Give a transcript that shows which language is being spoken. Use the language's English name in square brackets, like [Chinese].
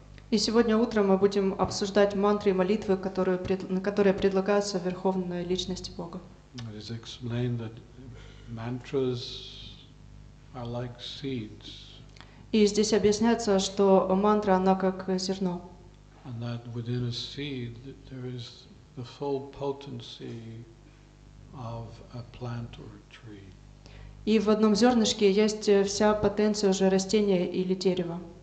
[Russian] И сегодня утром мы будем обсуждать мантры и молитвы, которые предлагаются Верховной Личности Бога. [English] It is explained that mantras are like seeds. [Russian] И здесь объясняется, что мантра, она как зерно. [English] And that within a seed there is the full potency of a plant or a tree. [Russian] И в одном зернышке есть вся потенция уже растения или дерева.